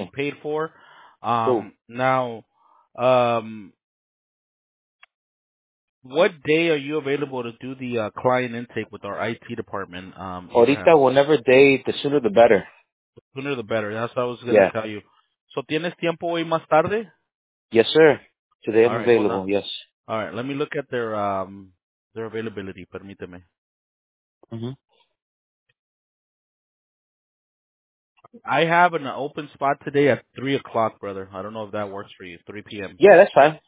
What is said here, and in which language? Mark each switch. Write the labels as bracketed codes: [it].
[en] Already paid for. Cool. Now, what day are you available to do the client intake with our IT department? Ahorita, whatever day, the sooner the better. The sooner the better. That's what I was going to tell you. [es] So, ¿tienes tiempo hoy más tarde? [en] Yes, sir. Today I'm available, yes. All right, let me look at their availability. [es] Permíteme. Mm-hmm. [en] I have an open spot today at 3 o'clock, brother. I don't know if that works for you, 3 p.m. Yeah, that's fine.